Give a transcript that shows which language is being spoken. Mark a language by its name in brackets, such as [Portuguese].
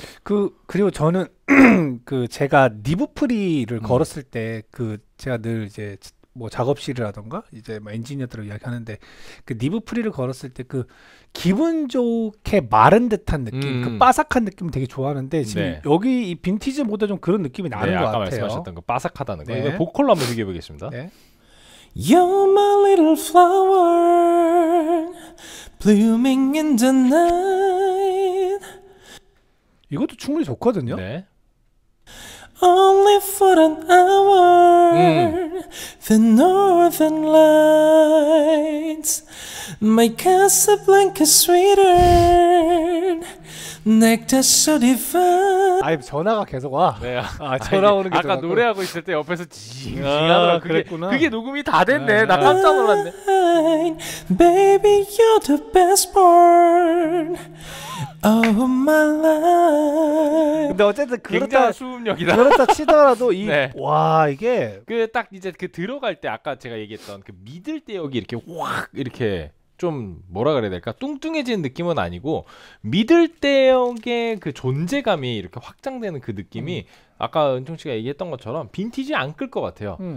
[Korean] 그리고 저는 그 제가 니브프리를 걸었을 때 그 제가 늘 이제 뭐 작업실이라던가 이제 뭐 엔지니어들을 이야기하는데 그 니브프리를 걸었을 때 그 기분 좋게 마른 듯한 느낌 그 바삭한 느낌 되게 좋아하는데 지금 네. 여기 이 빈티지 모드 좀 그런 느낌이 나는 것 같아요. 아까 말씀하셨던 거 바삭하다는 거 네. 이거 보컬로 한번 비교해 보겠습니다. 네. [English] You're my little flower blooming in the night. [Korean] 이것도 충분히 좋거든요. 네. [English] Only for an hour the northern lights make us a blanket sweeter. 넥타 소리파. [Korean] 아, 전화가 계속 와. 네. 아, 전화 오는 게 아까 전화고. 노래하고 있을 때 옆에서 징징 하더라. 그랬구나. 그게 녹음이 다 됐네. 나 깜짝 놀랐네. [English] Baby you're the best part of my life. [Korean] 근데 어쨌든 그렇다 수음력이다. 그렇다 치더라도 이 네. 와, 이게 그 딱 이제 그 들어갈 때 아까 제가 얘기했던 그 믿을 때 여기 이렇게 확 이렇게 좀 뭐라 그래야 될까 뚱뚱해지는 느낌은 아니고 믿을 때의 그 존재감이 이렇게 확장되는 그 느낌이 아까 은총 씨가 얘기했던 것처럼 빈티지 안 끌 것 같아요.